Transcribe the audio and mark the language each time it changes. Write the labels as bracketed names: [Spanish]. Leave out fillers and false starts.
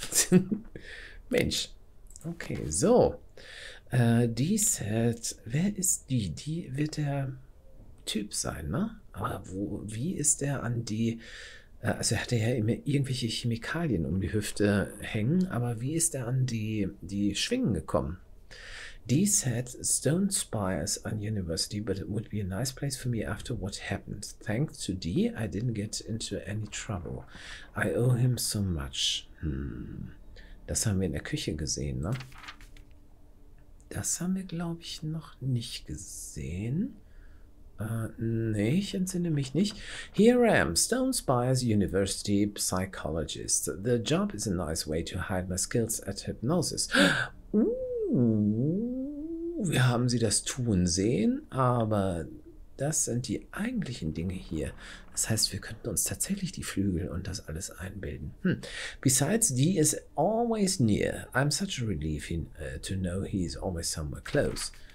[German] Hm? Mensch. Okay, so. Die said, wer ist die? Die wird der Typ sein, ne? Aber wie ist der an die? Also er hatte ja immer irgendwelche Chemikalien um die Hüfte hängen, aber wie ist er an die Schwingen gekommen? [English] Die said, stone spires on university, but it would be a nice place for me after what happened. Thanks to Dee, I didn't get into any trouble. I owe him so much. [German] Das haben wir in der Küche gesehen, ne? Das haben wir, glaube ich, noch nicht gesehen. Nee, ich entsinne mich nicht. [English] Here I am, Stone Spires University Psychologist. The job is a nice way to hide my skills at hypnosis. [German] Wir haben sie das tun sehen, aber das sind die eigentlichen Dinge hier. Das heißt, wir könnten uns tatsächlich die Flügel und das alles einbilden. [English] Besides, Dee is always near. I'm such a relief to know he's always somewhere close.